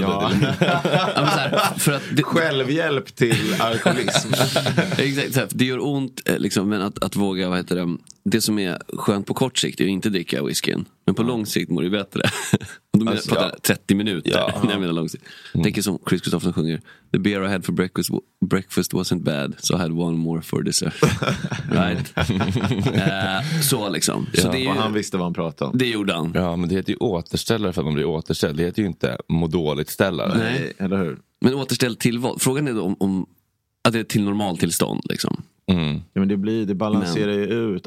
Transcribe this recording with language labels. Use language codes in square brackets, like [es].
[sv] Ja. Självhjälp till alkoholism. Exakt. Så här, det gör ont liksom, men att våga, vad heter det? Det som är skönt på kort sikt är att inte dricka whiskyn. Men på lång sikt mår det bättre. Och då menar jag 30 minuter. Ja. Nej, jag menar lång sikt. Tänk som Chris Christopherson sjunger. [en] The beer I had for breakfast wasn't bad. So I had one more for dessert. Right? [sv] så liksom. Ja. Så det är ju, och han visste vad han pratade om. Det gjorde han. Ja, men det heter ju återställare för att man blir återställd. Det heter ju inte må dåligt ställare. Nej, eller hur? Men återställd till vad? Frågan är då om att det är till normaltillstånd liksom. Mm. Ja, men det balanserar ju ut.